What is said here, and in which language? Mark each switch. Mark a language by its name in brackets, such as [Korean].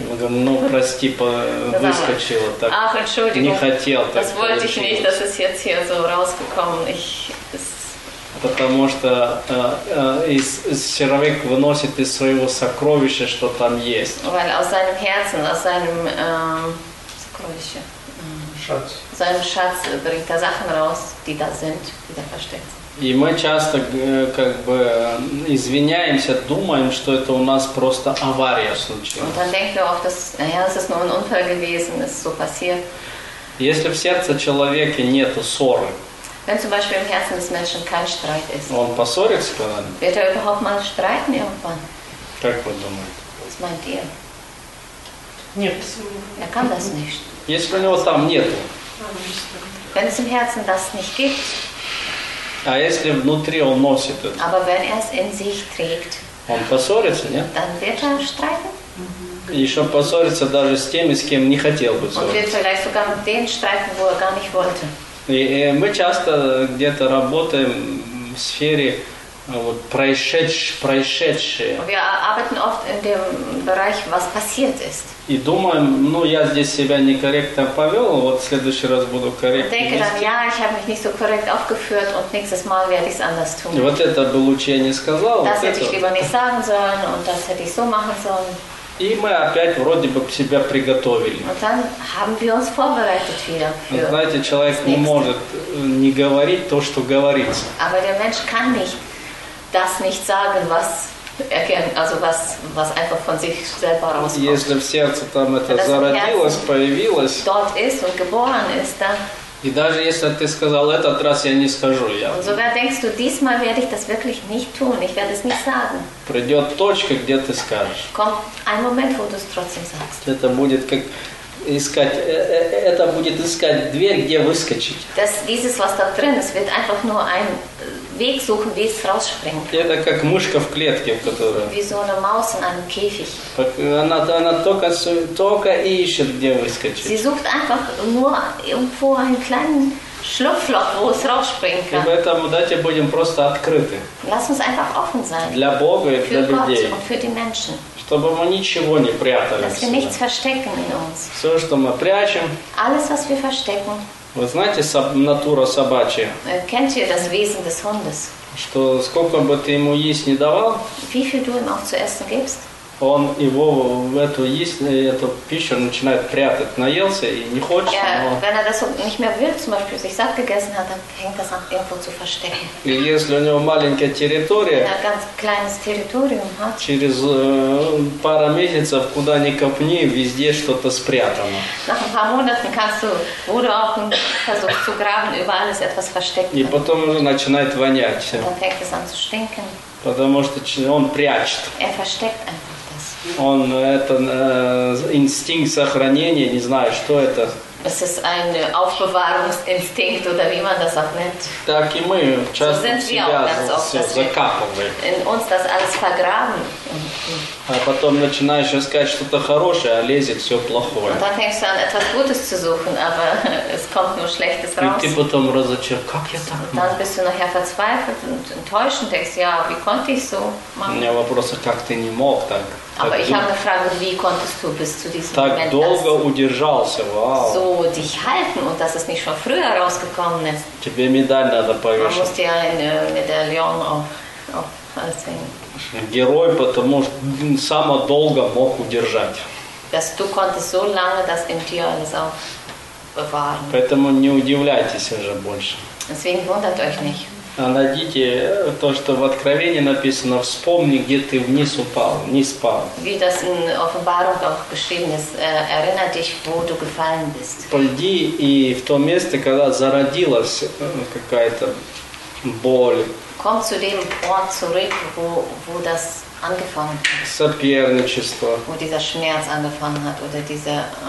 [Russian] Ну, прости, выскочило так. [German] Ach, Entschuldigung. [Russian] Не хотел так. [German] Das wollte ich nicht, dass es jetzt hier so rausgekommen ist. [Russian] Потому что человек выносит из своего сокровища, что там есть. [German] Weil aus seinem Herzen, aus seinem Sokrovische, Schatz. Seinem Schatz bringt er Sachen raus, die da sind, die da versteckt sind. [Russian] И мы часто как бы извиняемся, думаем, что это у нас просто авария случилась. [German] Und dann denken wir auch, dass, naja, es ist nur ein Unfall gewesen, es ist so passiert. [Russian] Если в сердце человека нет ссоры, [German] wenn zum Beispiel im Herzen des Menschen kein Streit ist, [Russian] он поссорится когда-нибудь? [German] Wird er überhaupt mal streiten irgendwann? [Russian] Как вы думаете? [German] Was meint ihr? [Russian] Нет. [German] Er kann das nicht. [Russian] Если у него там нет. [German] Wenn es im Herzen das nicht gibt. [Russian] А если внутри он носит это? [German] Aber wenn er es in sich trägt, [Russian] он поссорится, нет? [German] Dann wird er streiten. [Russian] И еще поссорится даже с теми, с кем не хотел бы ссориться. [German] Und wird vielleicht sogar mit denen streiten, wo er gar nicht wollte. [Russian] И мы часто где-то работаем в сфере вот, происшедшее. [German] Und wir arbeiten oft in dem Bereich, was passiert ist. [Russian] И думаем, ну я здесь себя некорректно повел, вот в следующий раз буду корректнее. [German] Denke dann, ja, ich habe mich nicht so korrekt aufgeführt und nächstes Mal werde ich es anders tun. [Russian] Вот это бы лучше я не сказал. [German] Das hätte ich lieber nicht sagen sollen und das hätte ich so machen sollen. [Russian] И мы опять вроде бы себя приготовили. [German] Und dann haben wir uns vorbereitet wieder. [Russian] Знаете, человек не может не говорить то, что говорится. [German] Aber der Mensch kann nicht das nicht sagen, was erkennen, also was einfach von sich selber rauskommt. [Russian] Если в сердце там это зародилось, появилось, [German] dort ist und geboren ist, dann. [Russian] И даже если ты сказал этот раз, я не скажу, я. [German] Und sogar denkst du, diesmal werde ich das wirklich nicht tun, ich werde es nicht sagen. [Russian] Придет точка, где ты скажешь. [German] Kommt ein Moment, wo du es trotzdem sagst. [Russian] Это будет как искать, это будет искать дверь, где выскочить. [German] Das, dieses, was da drin ist, wird einfach nur ein Weg suchen, wie es rausspringt. [Russian] Это как мышка в клетке, в которой. [German] Wie so eine Maus in einem Käfig. [Russian] Она только ищет, где выскочить. [German] Sie sucht einfach nur irgendwo einen kleinen Schlupfloch, wo es rausspringen kann. [Russian] И поэтому давайте будем просто открыты. [German] Lass uns einfach offen sein. [Russian] Для Бога и [German] für Gott [Russian] людей. [German] Und für die Menschen. [Russian] Чтобы мы ничего не прятали. [German] Dass wir nichts verstecken in uns. [Russian] Все, что мы прячем. [German] Alles, was wir verstecken. [Russian] Вы знаете натуру собачью? [German] Kennt ihr das Wesen des Hundes? [Russian] Что сколько бы ты ему есть не давал, [German] wie viel du ihm auch zu essen gibst, [Russian] он его эту пищу начинает прятать, наелся и не хочет. [German] Ja, wenn er das nicht mehr will, zum Beispiel sich satt gegessen hat, dann fängt das an irgendwo zu verstecken. [Russian] И если у него маленькая территория, [German] wenn er ganz kleines Territorium hat, [Russian] через пару месяцев куда ни копни, везде что-то спрятано. [German] Nach ein paar Monaten kannst du, wo du auch versuchst zu graben, überall ist etwas versteckt. [Russian] И потом уже начинает вонять. [German] Und dann fängt es an zu stinken. [Russian] Потому что он прячет. [German] Er versteckt einfach. [Russian] Он это инстинкт сохранения, не знаю, что это. [German] Es ist ein Aufbewahrungsinstinkt oder wie man das auch nennt. [Russian] Так и мы часто [German] so [Russian] себя закапываем. [German] In uns das alles vergraben. [Russian] А потом начинаешь искать что-то хорошее, а лезет все плохое. [German] Und dann fängst du an, etwas Gutes zu suchen, aber es kommt nur Schlechtes raus. [Russian] И ты потом разочарован, как я так могу? [German] Dann bist du nachher verzweifelt und enttäuscht und denkst, ja, wie konnte ich so machen? [Russian] У меня вопрос, как ты не мог так? [German] Aber ich habe gefragt, wie konntest du bis zu diesem [Russian] так [German] Moment [Russian] долго [German] das [Russian] удержался. Wow. [German] So dich halten und dass es nicht schon früher rausgekommen ist. [Russian] Тебе медаль надо повесить. [German] Man muss ja ein Medaillon aufhängen. [Russian] Герой, потому что само долго мог удержать. [German] Dass du konntest so lange das in dir alles aufbewahren. [Russian] Поэтому не удивляйтесь уже больше. [German] Deswegen wundert euch nicht. [Russian] А найдите то, что в Откровении написано, вспомни, где ты вниз упал, не спал. [German] Wie das in Offenbarung auch geschrieben ist, erinnere dich, wo du gefallen bist. [Russian] Пойди и в то место, когда зародилась какая-то боль. [German] Komm zu dem Ort zurück, wo das angefangen hat. [Russian] Соперничество. [German] Wo dieser Schmerz angefangen hat, oder dieser